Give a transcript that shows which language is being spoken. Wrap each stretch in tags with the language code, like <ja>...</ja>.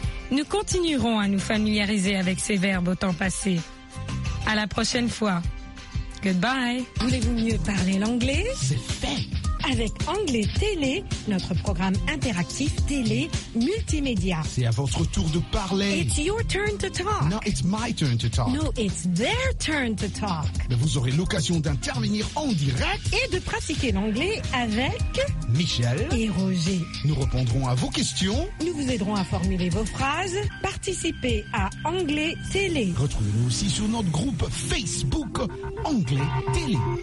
<fr>Nous continuerons à nous familiariser avec ces verbes au temps passé. À la prochaine fois. Goodbye. Voulez-vous mieux parler l'anglais? C'est fait. Avec Anglais Télé, notre programme interactif télé multimédia. C'est à votre tour de parler.</fr> <en>It's your turn to talk. No, it's my turn to talk. No, it's their turn to talk.</en> <fr>Mais vous aurez l'occasion d'intervenir en direct et de pratiquer l'anglais avec Michel et Roger. Nous répondrons à vos questions. Nous vous aiderons à formuler vos phrases. Participez à Anglais Télé. Retrouvez-nous aussi sur notre groupe Facebook Anglais Télé.</fr>